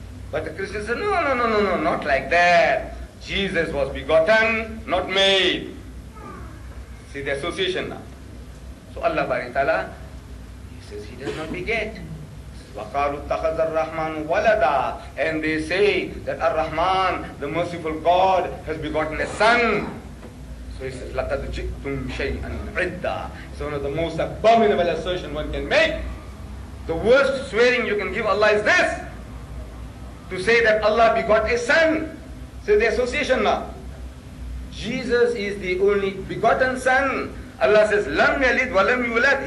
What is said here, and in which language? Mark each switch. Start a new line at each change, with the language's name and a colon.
English: But the Christians said, no, not like that. Jesus was begotten, not made. See the association now. So Allah Bari Ta'ala, he says he does not beget.
Arabic: وَقَالُوا اتَّخَذَ الرَّحْمَنُ وَلَدًا.
English: And they say that Ar-Rahman, the merciful God, has begotten a son. So he says,
Arabic: لَقَدْ جِئْتُمْ شَيْئًا عِدًّا.
English: It's one of the most abominable assertions one can make. The worst swearing you can give Allah is this. To say that Allah begot a son. So the association now. Jesus is the only begotten son. Allah says,
Arabic: Lam yalid wa lam yulad.